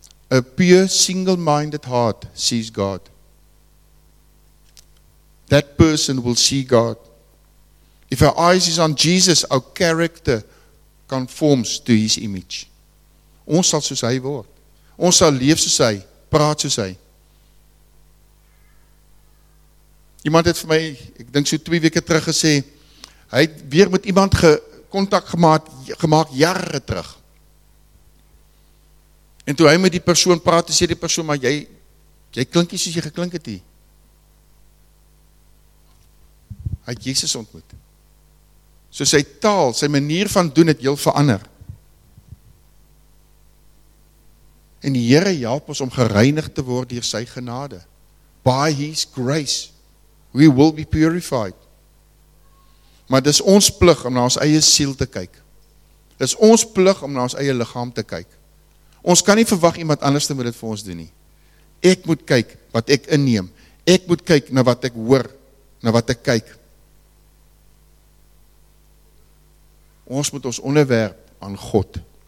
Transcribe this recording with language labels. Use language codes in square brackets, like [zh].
[en] A pure, single-minded heart sees God. That person will see God. If our eyes is on Jesus, our character conforms to His image. [af] Ons sal soos Hy word. Ons sal leef soos Hy, praat soos Hy. Iemand het vir my, ek dink so 2 weke terug gesê, hy het weer met iemand contact gemaakt jare terug. En toe hy met die persoon praat, sê die persoon, maar jy klink nie soos jy geklink het nie. Hy het Jesus ontmoet. So sy taal, sy manier van doen het heel verander. En die Here help ons om gereinigd te word deur sy genade. [en] By His grace, we will be purified. [af] Maar dis ons plig om na ons eie siel te kyk. Dis ons plig om na ons eie lichaam te kyk. Ons kan nie verwag iemand anders moet dit vir ons doen nie. Ek moet kyk wat ek inneem. Ek moet kyk na wat ek hoor, na wat ek kyk. Ons moet ons onderwerp aan God.